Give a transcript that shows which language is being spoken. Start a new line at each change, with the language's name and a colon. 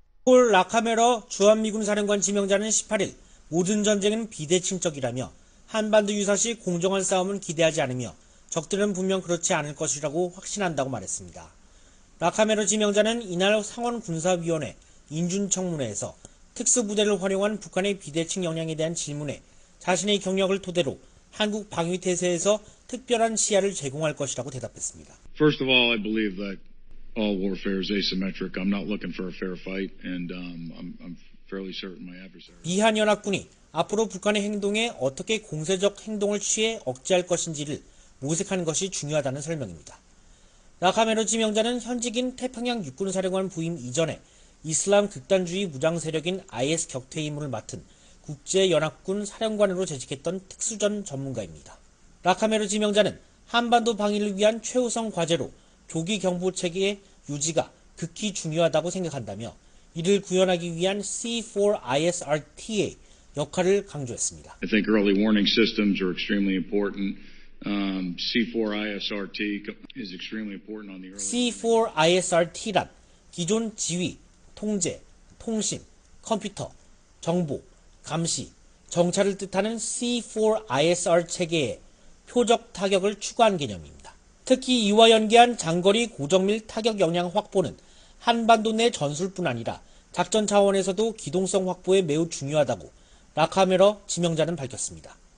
Korean: 폴 라카메러 주한미군사령관 지명자는 18일 모든 전쟁은 비대칭적이라며 한반도 유사시 공정한 싸움은 기대하지 않으며 적들은 분명 그렇지 않을 것이라고 확신한다고 말했습니다. 라카메러 지명자는 이날 상원군사위원회 인준청문회에서 특수부대를 활용한 북한의 비대칭 역량에 대한 질문에 자신의 경력을 토대로 한국 방위태세에서 특별한 시야를 제공할 것이라고 대답했습니다.
English: First of all, I believe that all warfare is asymmetric. I'm not looking for a fair fight, and I'm fairly certain my adversary.
Korean: 미한 연합군이 앞으로 북한의 행동에 어떻게 공세적 행동을 취해 억제할 것인지를 모색하는 것이 중요하다는 설명입니다. 라카메로 지명자는 현직인 태평양 육군사령관 부임 이전에 이슬람 극단주의 무장 세력인 IS 격퇴 임무를 맡은 국제 연합군 사령관으로 재직했던 특수전 전문가입니다. 라카메로 지명자는 한반도 방위를 위한 최우선 과제로 조기 경보 체계의 유지가 극히 중요하다고 생각한다며 이를 구현하기 위한 C4ISRT의 역할을 강조했습니다.
English: I think early warning systems are extremely important. C4ISRT is extremely important on the early.
Korean: C4ISRT란 기존 지휘, 통제, 통신, 컴퓨터, 정보, 감시, 정찰을 뜻하는 C4ISR 체계에 표적 타격을 추구한 개념입니다. 특히 이와 연계한 장거리 고정밀 타격 역량 확보는 한반도 내 전술뿐 아니라 작전 차원에서도 기동성 확보에 매우 중요하다고 라카메러 지명자는 밝혔습니다.